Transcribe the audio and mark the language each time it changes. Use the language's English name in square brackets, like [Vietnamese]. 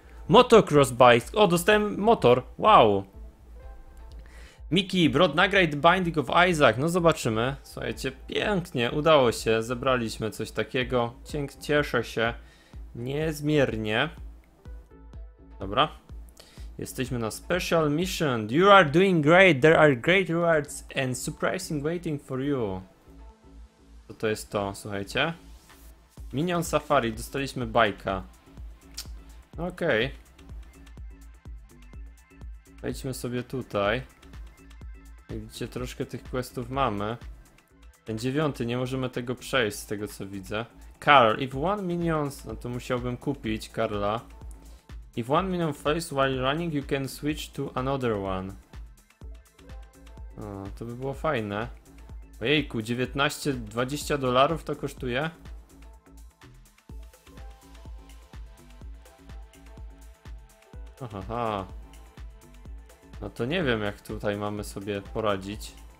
[Polish] Motocross bike. O, dostałem motor. Wow. Miki, Brod, nagraj The Binding of Isaac. No zobaczymy. Słuchajcie, pięknie, udało się. Zebraliśmy coś takiego. Cieszę się niezmiernie. Dobra. Jesteśmy na special mission. [English] You are doing great. There are great rewards and surprising waiting for you. [Polish] Co to jest to? Słuchajcie. Minion Safari. Dostaliśmy bajka. Okej. Okay. Wejdźmy sobie tutaj. Jak widzicie, troszkę tych questów mamy. Ten 9, nie możemy tego przejść z tego, co widzę. Carl, [English] if one minion, [Polish] no to musiałbym kupić Karla. [English] If one minion fails while running, you can switch to another one. [Polish] O, to by było fajne. Ojejku, 19, 20 dolarów to kosztuje? Aha. No to nie wiem, jak tutaj mamy sobie poradzić.